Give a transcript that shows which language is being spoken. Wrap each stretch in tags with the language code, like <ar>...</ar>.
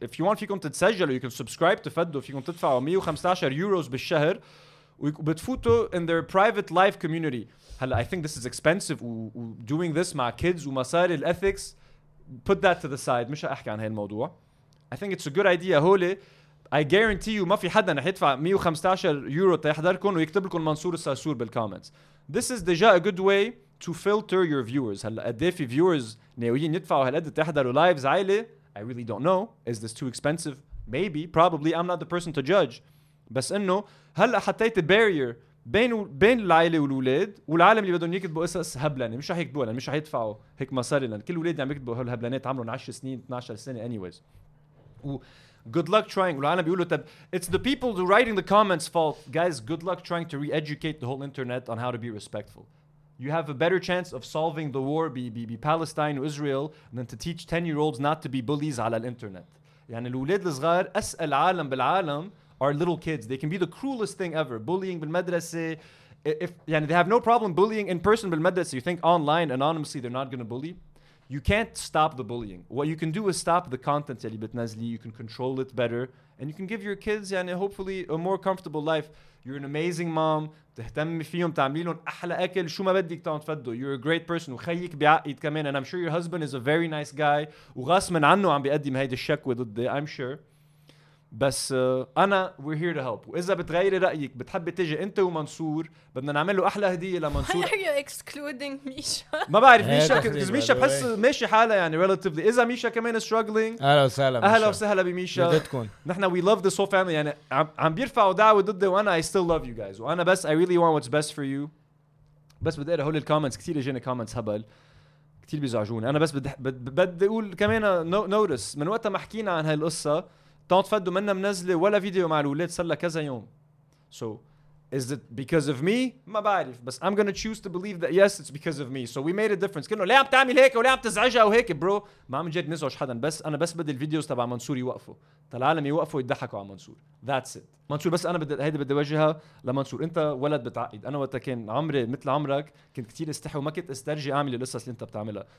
<en>If you want</en> <ar>فيكم تتسجلوا,</ar> <en>you can subscribe to فادو,</en> <ar>فيكم تدفعوا 115 يوروز بالشهر وبتفوتوا</ar> <en>in their private life community. Hala, I think this is expensive. Doing this مع kids</en> <ar>ومصاري</ar> <en>الethics, put that to the side.</en> <ar>مش هأحكي عن هالموضوع.</ar> <en>I think it's a good idea.</en> <ar>هولي,</ar> <en>I guarantee you,</en> <ar>ما في حدا نحيدفع 115 يورو تيحضركن ويكتب لكم منصور الساسور بالكومنتس.</ar> <en>This is deja a good way to filter your viewers.</en> <ar>هلا قدي في viewers ناويين يدفعوا هالقد تيحضروا lives عائلة. I really don't know. Is this too expensive? Maybe, probably. I'm not the person to judge. بس إنه هلا حطيت barrier بين العائلة والولاد والعالم اللي بدهم يكتبوا قصص هبلانة. مش رح يكتبوها لأن مش رح يدفعوا هيك مصاري, لأن كل ولادي عم يكتبوا هالهبلانات عمرهم 10 سنين 12 سنة anyways.</ar> <en>و good luck trying.</en> <ar>والعالم بيقولوا طب</ar> <en>it's the people who writing the comments fault. Guys, good luck trying to re-educate the whole internet on how to be respectful. You have a better chance of solving the war be Palestine or Israel than to teach 10-year-olds not to be bullies</en> <ar>على الانترنت. يعني الولاد الصغار أسأل عالم بالعالم</ar> <en>are little kids. They can be the cruelest thing ever. Bullying بالمدرسة. If يعني they have no problem bullying in person بالمدرسة. You think online, anonymously, they're not going to bully? You can't stop the bullying. What you can do is stop the content</en> <ar>يلي بتنزلي.</ar> <en>You can control it better. And you can give your kids, يعني hopefully, a more comfortable life. You're an amazing mom.</en> <ar>تهتم فيهم, تعملي لهم أحلى أكل. شو ما بدك تعمل تفدوا.</ar> <en>You're a great person.</en> <ar>وخيك بيعقيد كمان.</ar> <en>And I'm sure your husband is a very nice guy.</en> <ar>وغاص من عنه عم بيقدم هيدا الشكوى ضده.</ar> <en>I'm sure.</en> <ar>بس أنا</ar> <en>we're here to help.</en> <ar>وإذا بتغيري رأيك بتحبي تجي أنت ومنصور بدنا نعمله أحلى هدية لمنصور.</ar> <en>Why are you excluding Misha?</en> <ar>ما بعرف ميشا كذا ميشا بحس ماشي حالة يعني relatively. إذا ميشا كمان struggling. أهلا وسهلا. أهلا وسهلا بميشا. بدتكن.</ar> <en>نحنا we love this whole family.</en> <ar>يعني عم بيرفعوا دعوة ضدي وأنا</ar> <en>I still love you guys.</en> <ar>وأنا بس</ar> <en>I really want what's best for you.</en> <ar>بس بدي أقرأ هول الكومنتس. كتير جينا كومنتس هبل. كتير بيزعجوني. أنا بس بدي أقول كمان notice من وقت ما حكينا عن هالقصة. Tante Feddo منا منزلة ولا فيديو مع الولاد صار لها كذا يوم.</ar> <en>So is it because of me?</en> <ar>ما بعرف.</ar> <en>بس I'm gonna choose to believe that yes, it's because of me. So we made a difference.</en> <ar>كنو ليه عم تعمل هيك وليه عم تزعجها وهيك برو. ما عم جد نزعج حدا. بس أنا بس بدي الفيديوز تبع منصور يوقفوا. العالم يوقفوا يضحكوا على منصور.</ar> <en>That's it.</en> <ar>منصور بس أنا بدي هيدا بدي وجهها لمنصور. أنت ولد بتعقد. أنا وقتها كان عمري مثل عمرك كنت كتير استحي وما كنت استرجي أعمل القصص اللي أنت بتعملها.</ar>